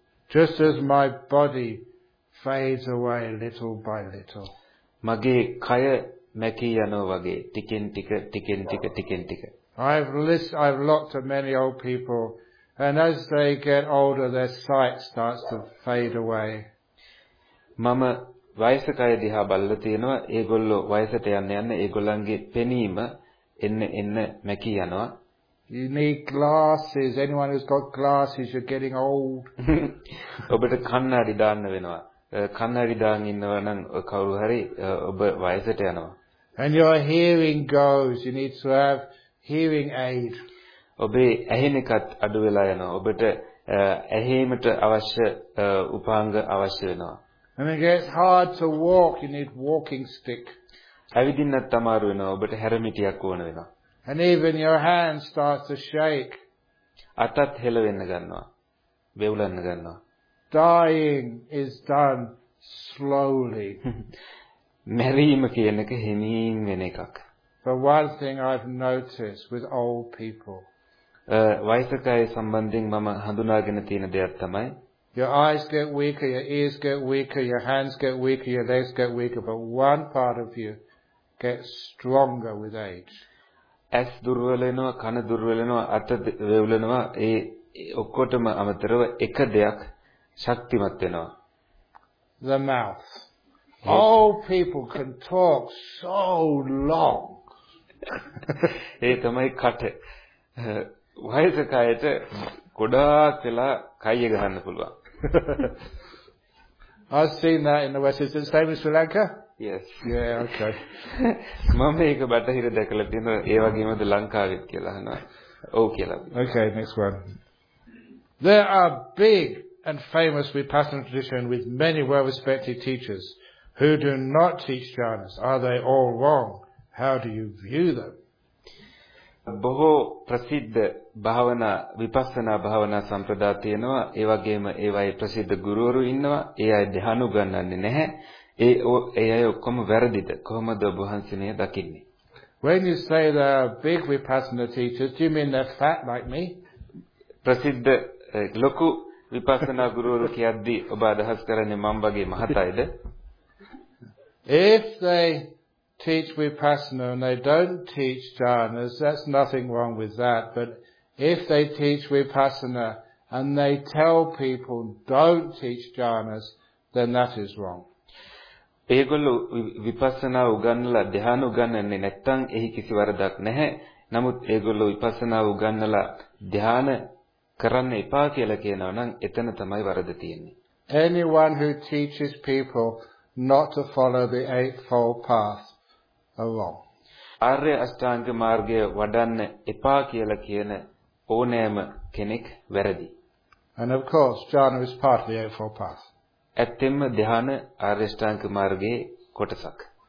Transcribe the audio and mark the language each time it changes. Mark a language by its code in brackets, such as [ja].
[en] Just as my body fades away little by little. [si] මගේ කය මැකී යනවා වගේ ටිකෙන් ටික ටිකෙන් ටික ටිකෙන් ටික. [en] I've looked at many old people. And as they get older, their sight starts to fade away. [si] මම වයසක අය දිහා බලලා තියෙනවා. ඒගොල්ලෝ වයසට යන යන ඒගොල්ලන්ගේ පෙනීම එන්න එන්න මැකී යනවා. [en] You need glasses. Anyone who's got glasses, you're getting old. [si] ඔබට කණ්ණාඩි දාන්න වෙනවා. කණ්ණාඩි දාන් ඉන්නවා නම් කවුරු හරි ඔබ වයසට යනවා. [en] And your hearing goes. You need to have hearing aid. [si] ඔබේ ඇහෙන එකත් අඩු වෙලා යනවා. ඔබට ඇහිීමට අවශ්‍ය උපාංග අවශ්‍ය වෙනවා. [en] And it gets hard to walk. You need walking stick. [si] ඇවිදින්නත් අමාරු වෙනවා. ඔබට හැරමිටියක් ඕන වෙනවා. [en] And even your hand starts to shake. [si] අතත් හෙලවෙන්න ගන්නවා. වෙවුලන්න ගන්නවා. [en] Dying is done slowly. [si] මැරීම කියන එක හෙමින් වෙන එකක්. [en] But one thing I've noticed with old people. [si] වයසකයි සම්බන්ධයෙන් මම හඳුනාගෙන තියෙන දෙයක් තමයි. [en] Your eyes get weaker, your ears get weaker, your hands get weaker, your legs get weaker, but one part of you gets stronger with age. [si] ඇස් දුර්වල වෙනවා, කන දුර්වල වෙනවා, අත වේවුල වෙනවා. ඒ ඔක්කොටම අමතරව එක දෙයක් ශක්තිමත් වෙනවා. [en] The mouth. Old people can talk so long. [si] ඒ තමයි කට. වයසක අයට ගොඩාක් වෙලා කය ගහන්න පුළුවන්. [en] I've seen that in the West Indies. Is it same in Sri Lanka? Yes. Yeah, okay. [si] මම මේක බටහිර දැකලා තියෙනවා. ඒ වගේමද ලංකාවෙත් කියලා අහනවා. ඔව් කියලා. [en] Okay, next one. There are big and famous Vipassana tradition with many well-respected teachers who do not teach jhanas. Are they all wrong? How do you view them? [si] බොහෝ ප්‍රසිද්ධ භාවනා විපස්සනා භාවනා සම්ප්‍රදා තියෙනවා. ඒ වගේම ඒවයි ප්‍රසිද්ධ ගුරුවරු ඉන්නවා. ඒ අය ධ්‍යාන උගන්වන්නේ නැහැ. ඒ අය ඔක්කොම වැරදිද? කොහොමද ඔබ වහන්සේ දකින්නේ? [en] When you say they are big vipassana teachers, do you mean they're fat like me? [si] ප්‍රසිද්ධ ලොකු විපස්සනා ගුරුවරු කියද්දි ඔබ අදහස් කරන්නේ මම වගේ මහතයිද? [en] If they teach vipassana and they don't teach jhanas, that's nothing wrong with that. But if they teach vipassana and they tell people don't teach jhanas, then that is wrong. [si] ඒගොල්ල විපස්සනා උගන්වලා ධ්‍යාන උගන්වන්නේ නැත්තම් එහි කිසි වරදක් නැහැ. නමුත් ඒගොල්ල විපස්සනා උගන්වලා ධ්‍යාන කරන්න එපා කියලා කියනවනම් එතන තමයි වරද තියෙන්නේ. [en] Anyone who teaches people not to follow the eightfold path along. [si] ආර්ය අෂ්ටාංග මාර්ගය වඩන්න එපා කියලා කියන ඕනෑම කෙනෙක් වැරදි. [en] And of course, jhana is part of the eightfold path. [si] ඇත්තෙන්ම ධ්‍යාන ආර්ය අෂ්ටාංග මාර්ගයේ කොටසක්.